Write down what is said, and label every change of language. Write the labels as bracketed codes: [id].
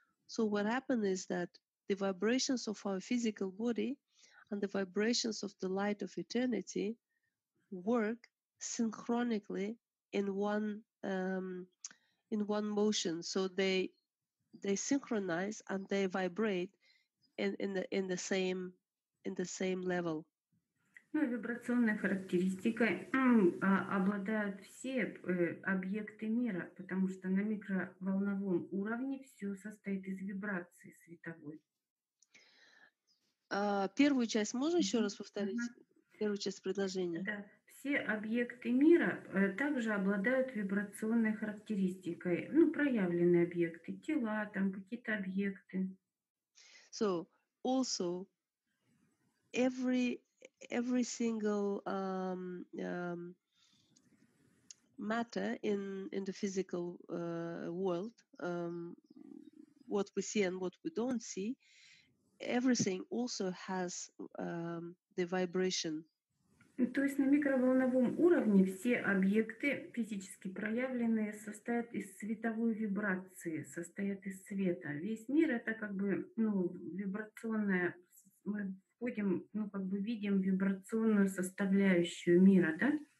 [en] So what happens is that the vibrations of our physical body and the vibrations of the light of eternity work synchronically in one motion. So they synchronize and they vibrate in the same level. [ru] Ну, вибрационной характеристикой обладают все объекты мира, потому что на микроволновом уровне все состоит из вибрации световой. Первую часть можно еще раз повторить? Первую часть предложения. Да. Все объекты мира также обладают вибрационной характеристикой. Ну, проявленные объекты, тела, там какие-то объекты. [en] So, also every single matter in the physical world, what we see and what we don't see. Everything also has the vibration. [ru] То есть на микроволновом уровне все объекты физически проявленные состоят из световой вибрации, состоят из света. Весь мир это как бы, ну, вибрационная, мы входим, ну, как бы видим вибрационную составляющую мира, да?